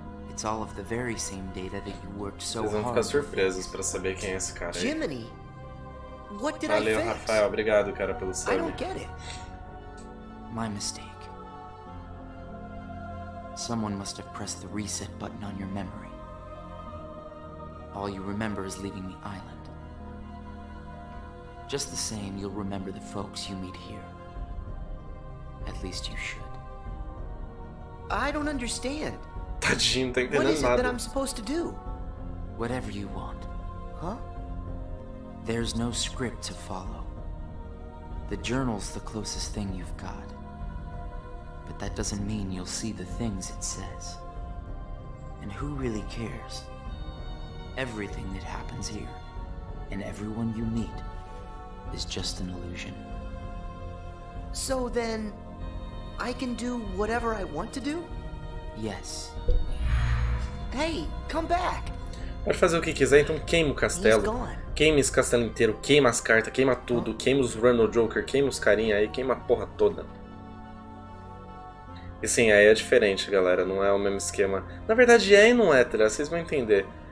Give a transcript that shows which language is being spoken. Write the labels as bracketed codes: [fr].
[en] It's all of the very same data that you worked so hard. [pt] Vocês vão ficar surpresos para saber quem é esse cara aí. [en] Jiminy? What did [pt] Valeu, [en] I fix? [pt] Rafael, obrigado, cara, pelo sub. [en] I don't get it. My mistake. Someone must have pressed the reset button on your memory. All you remember is leaving the island. Just the same, you'll remember the folks you meet here. At least you should. I don't understand. [pt] Tadinho, tá entendendo nada. [en] What is it that I'm supposed to do? Whatever you want. Huh? There's no script to follow. The journal's the closest thing you've got. But that doesn't mean you'll see the things it says. And who really cares? Everything that happens here, and everyone you meet, is just an illusion. So then, I can do whatever I want to do? Yes. Hey, come back! [pt] Pode fazer o que quiser, então queima o castelo. Queima esse castelo inteiro, queima as cartas, queima tudo, queima os Runner Joker, queima os carinha aí, queima a porra toda. E sim, aí é diferente, galera, não é o mesmo esquema. Na verdade é e não é, tá? Vocês vão entender.